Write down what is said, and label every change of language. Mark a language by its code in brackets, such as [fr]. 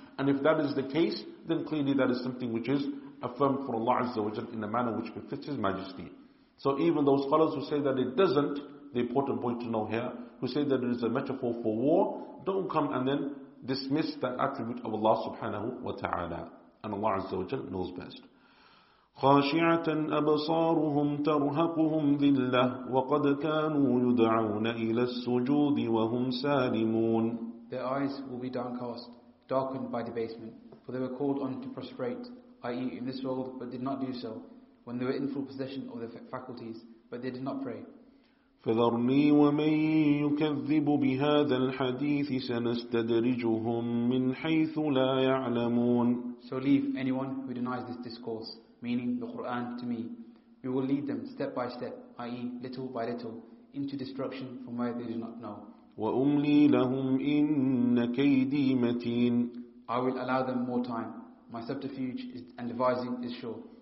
[en] And if that is the case, then clearly that is something which is affirmed for Allah Azza wa Jal in a manner which befits His majesty. So even those scholars who say that it doesn't, the important point to know here, who say that it is a metaphor for war, don't come and then dismiss that attribute of Allah subhanahu wa ta'ala. And Allah Azza wa Jal knows best. [ar] خاشعة أبصارهم ترهقهم ذلة وقد كانوا يدعون إلى السجود وهم سالمون. [en] Their eyes will be downcast, darkened by debasement, for they were called on to prostrate, i.e. in this world, but did not do so, when they were in full possession of their faculties, but they did not pray. [ar] فذرني ومن يكذب بهذا الحديث سنستدرجهم من حيث لا يعلمون. [en] So leave anyone who denies this discourse, meaning the Qur'an, to me. We will lead them step by step, i.e. little by little, into destruction from where they do not know. [ar] وَأُمْلِي لَهُمْ إِنَّ كَيْدِي مَتِينَ. [en] I will allow them more time. My subterfuge and devising is sure.